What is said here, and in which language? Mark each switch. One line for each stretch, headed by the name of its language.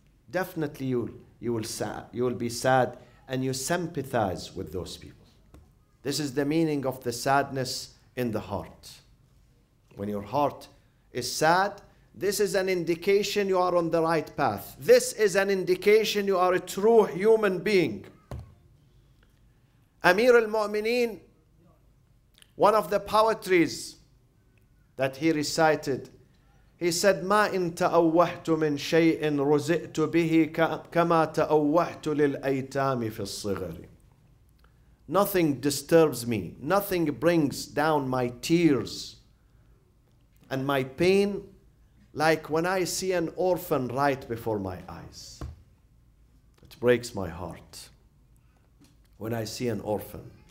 English: Definitely you will be sad and you sympathize with those people. This is the meaning of the sadness in the heart. When your heart is sad, this is an indication you are on the right path. This is an indication you are a true human being. Amir al-Mu'mineen, one of the poetries that he recited, he said,
Arabic: مَا إِن تَأَوَّهْتُ مِنْ شَيْءٍ رُزِئْتُ بِهِ كَمَا تَأَوَّهْتُ لِلْأَيْتَامِ فِي الصِّغَرِ.
English: Nothing disturbs me. Nothing brings down my tears and my pain like when I see an orphan right before my eyes. It breaks my heart when I see an orphan.